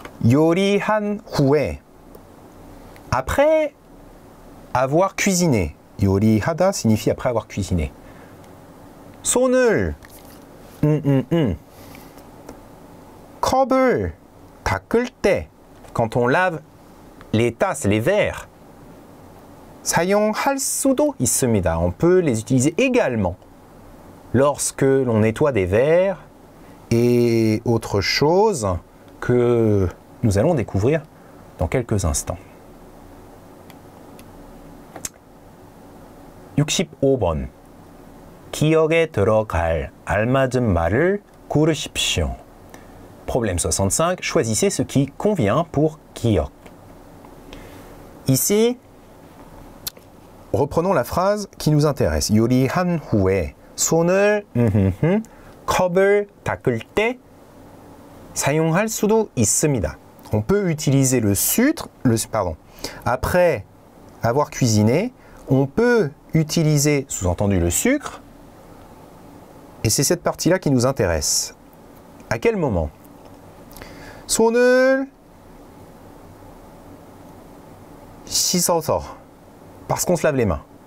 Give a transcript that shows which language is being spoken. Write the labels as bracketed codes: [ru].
[ko] 요리한 후에 [fr] après avoir cuisiné 요리하다 signifie après avoir cuisiné [ko] 손을 컵을 닦을 때 [fr] quand on lave les tasses, les verres [ko] 사용할 수도 있습니다. [fr] On peut les utiliser également lorsque l'on nettoie des verres et autre chose que nous allons découvrir dans quelques instants. [ko] 65번 기억에 들어갈 알맞은 말을 고르십시오. [fr] Problème 65. Choisissez ce qui convient pour 기억. Ici, reprenons la phrase qui nous intéresse. [ko] 요리한 후에 손을 컵을 닦을 때 사용할 수도 있습니다. [fr] On peut utiliser le sucre, après avoir cuisiné, on peut utiliser, sous-entendu, le sucre. Et c'est cette partie-là qui nous intéresse. À quel moment ? [ko] 손을 씻어서 [fr] parce qu'on se lave les mains.